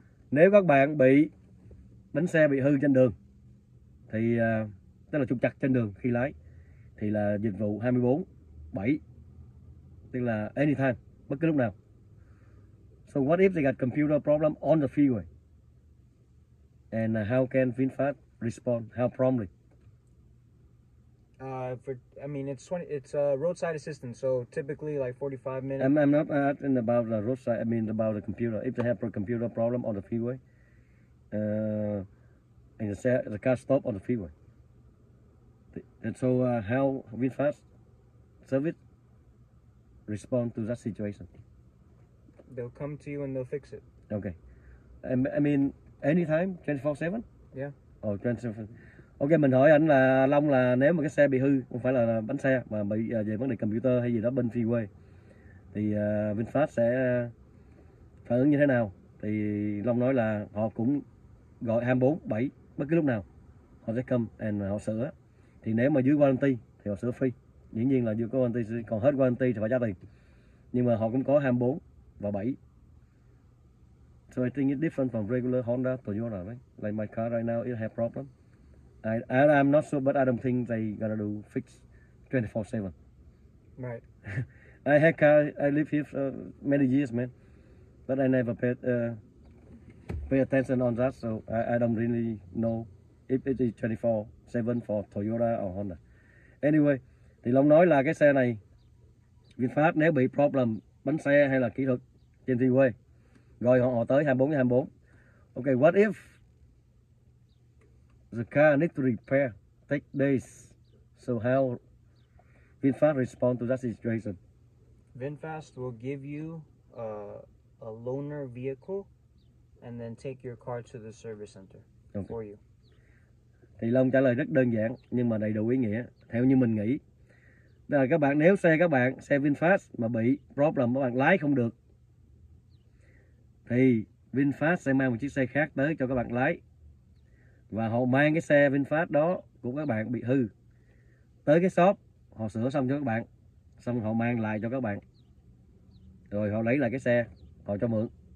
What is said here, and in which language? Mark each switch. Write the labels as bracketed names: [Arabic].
[Vietnamese] Nếu các bạn bị bánh xe bị hư trên đường, thì tức là trục trặc trên đường khi lái, thì là dịch vụ 24/7, tức là anytime, bất cứ lúc nào. [English] So what if they got computer problem on the freeway? And how can VinFast respond? How promptly? It's roadside assistance, so typically like 45 minutes. I'm not asking about the roadside, I mean about the computer. If they have a computer problem on the freeway, and the car stop on the freeway. And so how VinFast service respond to that situation? They'll come to you and they'll fix it. Okay. I mean, anytime, 24/7? Yeah. Oh, 24/7. [Vietnamese] Ok, mình hỏi anh là Long là nếu mà cái xe bị hư, không phải là bánh xe mà bị về vấn đề computer hay gì đó bên freeway, thì VinFast sẽ phản ứng như thế nào? Thì Long nói là họ cũng gọi 24/7 bất cứ lúc nào, họ sẽ [English] come and [Vietnamese] họ sửa. Thì nếu mà dưới warranty thì họ sửa free, dĩ nhiên là dưới warranty, còn hết warranty thì phải trả tiền, nhưng mà họ cũng có 24/7. [English] So I think it's different from regular Honda, Toyota, right? Like my car right now, it have problem. I'm not sure, but I don't think they gonna do fix 24/7. Right. I had car. I live here for many years, man, but I never paid pay attention on that. So I don't really know if it is 24/7 for Toyota or Honda. [Vietnamese] Anyway, thì Long nói là cái xe này VinFast nếu bị problem bánh xe hay là kỹ thuật trên freeway, gọi họ tới 24/24. [English] Okay, what if the car need to repair, take days? So how VinFast respond to that situation? VinFast will give you a loaner vehicle and then take your car to the service center for you. [Vietnamese] Thì Long trả lời rất đơn giản nhưng mà đầy đủ ý nghĩa. Theo như mình nghĩ, là các bạn nếu xe các bạn, xe VinFast mà bị problem, các bạn lái không được, thì VinFast sẽ mang một chiếc xe khác tới cho các bạn lái. Và họ mang cái xe VinFast đó của các bạn bị hư tới cái shop, họ sửa xong cho các bạn, xong họ mang lại cho các bạn, rồi họ lấy lại cái xe, họ cho mượn.